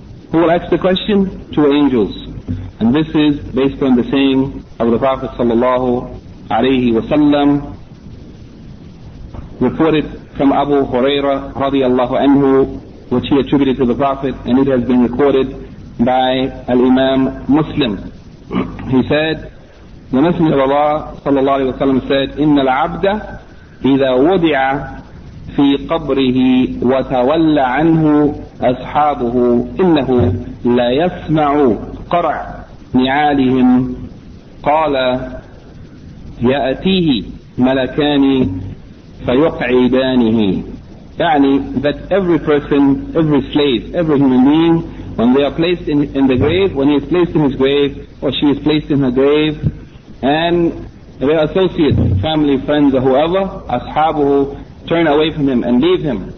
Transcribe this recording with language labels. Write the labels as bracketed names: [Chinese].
[English] Who will ask the question? Two angels. And this is based on the saying of the Prophet sallallahu alayhi wa sallam, reported from Abu Huraira radiallahu anhu, which he attributed to the Prophet, and it has been recorded by Al-Imam Muslim. He said, the Messenger of Allah sallallahu alayhi wa sallam said, [Arabic] إِنَّ الْعَبْدَ إِذَا وُضِعَ فِي قَبْرِهِ وَتَوَلَّ عَنْهُ أَصْحَابُهُ إِنَّهُ لَيَسْمَعُ قَرَعَ نعالهم قال يأتيه ملكان فيقعدانه. [English] يعني that every person, every slave, every human being, when they are placed in the grave, when he is placed in his grave, or she is placed in her grave, and their associates, family, friends, or whoever, ashabuhu, turn away from him and leave him.